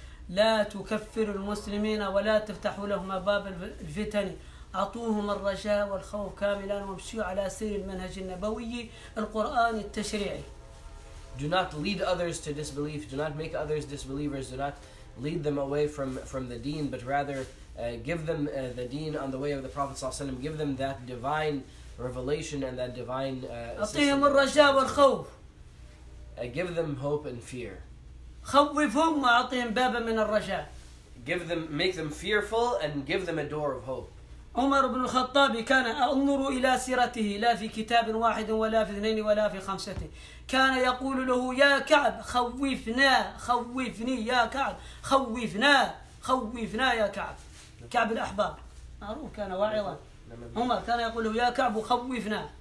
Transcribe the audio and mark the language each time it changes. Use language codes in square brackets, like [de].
[ar] لا تكفر المسلمين ولا تفتح لهم باب الفتن أعطوهم الرجاء والخوف كاملا وامشوا على سير المنهج النبوي القرآن التشريعي. [en] Do not lead others to disbelief. Do not make others disbelievers. Do not lead them away from the deen, but rather give them the deen on the way of the Prophet صلى الله عليه وسلم. Give them that divine revelation and that divine assistance. [ar] أعطيهم الرجاء والخوف. [en] Give them hope and fear. [ar] خوفهم وأعطيهم بابا من الرجاء. [en] Give them, make them fearful and give them a door of hope. [ar] عمر بن الخطاب كان أنظر إلى سيرته لا في كتاب واحد ولا في اثنين ولا في خمسة كان يقول له يا كعب خوفنا خوفني يا كعب خوفنا خوفنا يا كعب كعب الأحباب معروف كان واعظا عمر كان يقول له يا كعب خوفنا